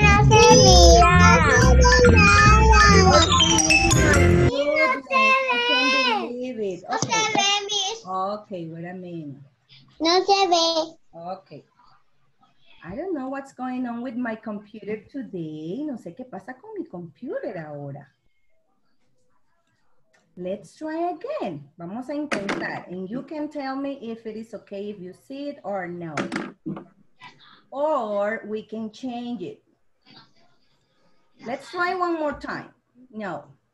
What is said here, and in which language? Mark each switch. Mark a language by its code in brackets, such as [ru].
[en] Okay, what I mean? [es] No se ve. [en] Okay. I don't know what's going on with my computer today. [es] No sé qué pasa con mi computer ahora. [en] Let's try again. [es] Vamos a intentar. [en] And you can tell me if it is okay if you see it or no. Or we can change it. Let's try one more time. No.